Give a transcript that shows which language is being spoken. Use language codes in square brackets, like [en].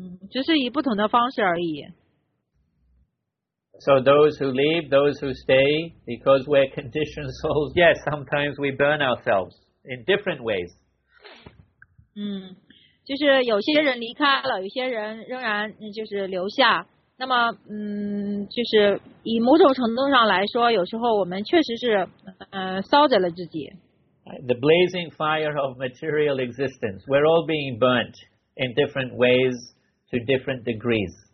[zh] 就是以不同的方式而已。 [en] So those who leave, those who stay, because we're conditioned souls, yes, sometimes we burn ourselves in different ways. [zh] 就是有些人离开了，有些人仍然就是留下。那么，就是以某种程度上来说，有时候我们确实是，烧着了自己。 [en] The blazing fire of material existence. We're all being burnt in different ways to different degrees.